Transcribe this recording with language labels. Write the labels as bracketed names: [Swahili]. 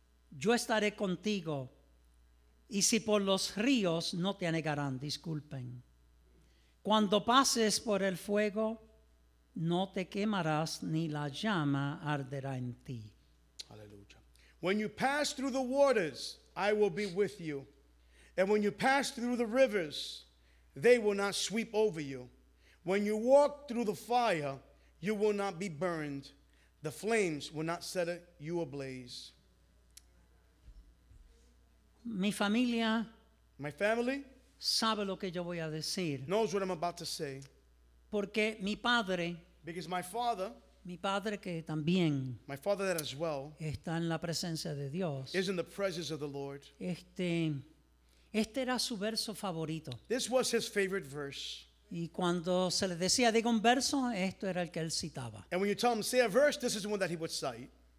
[Spanish] Yo estaré contigo. Y si por los ríos, no te anegarán. Disculpen. Cuando pases por el fuego, no te quemarás ni la llama arderá en ti. Aleluya. [English] When you pass through the waters, I will be with you. And when you pass through the rivers, they will not sweep over you. When you walk through the fire, you will not be burned. The flames will not set you ablaze. [Spanish] Mi familia. [English] My family. [Spanish] Sabe lo que yo voy a decir. [English] Knows what I'm about to say. [Spanish] Porque mi padre, [English] because my father, [Spanish] mi padre que también, [English] my father that as well, [Spanish] está en la presencia de Dios. [English] Is in the presence of the Lord. [Spanish] Este era su verso favorito. [English] This was his favorite verse. [Spanish] Y cuando se le decía diga un verso, esto era el que él citaba. [English] And when you tell him say a verse, this is the one that he would cite.